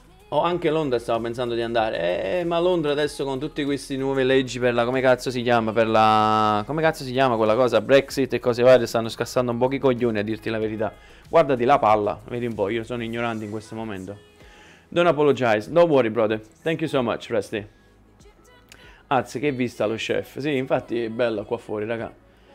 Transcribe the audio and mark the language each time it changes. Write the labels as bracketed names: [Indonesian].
[Italian] Ho anche Londra, stavo pensando di andare, ma Londra adesso con tutte queste nuove leggi per la, come cazzo si chiama, quella cosa, Brexit e cose varie, stanno scassando un po' i coglioni, a dirti la verità. Guardati la palla, vedi un po', io sono ignorante in questo momento. [English] Don't apologize, don't worry brother, thank you so much Rusty. [Italian] Azzi, che vista lo chef, sì, infatti è bello qua fuori, raga.